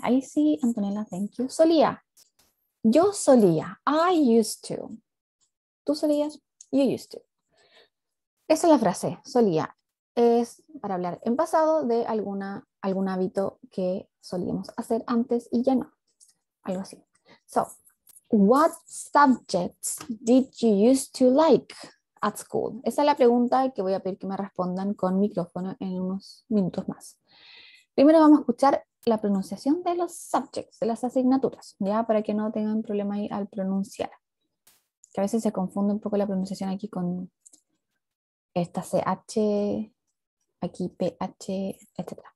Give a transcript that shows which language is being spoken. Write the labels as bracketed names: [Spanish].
[Spanish] Ahí sí, Antonella, [English] thank you. [Spanish] Solía. Yo solía. [English] I used to. [Spanish] Tú solías. [English] You used to. [Spanish] Esa es la frase. Solía. Es para hablar en pasado de algún hábito que solíamos hacer antes y ya no. Algo así. [English] So, what subjects did you used to like at school? [Spanish] Esa es la pregunta que voy a pedir que me respondan con micrófono en unos minutos más. Primero vamos a escuchar la pronunciación de los subjects, de las asignaturas, ya para que no tengan problema ahí al pronunciar. Que a veces se confunde un poco la pronunciación aquí con esta CH, aquí PH, etc.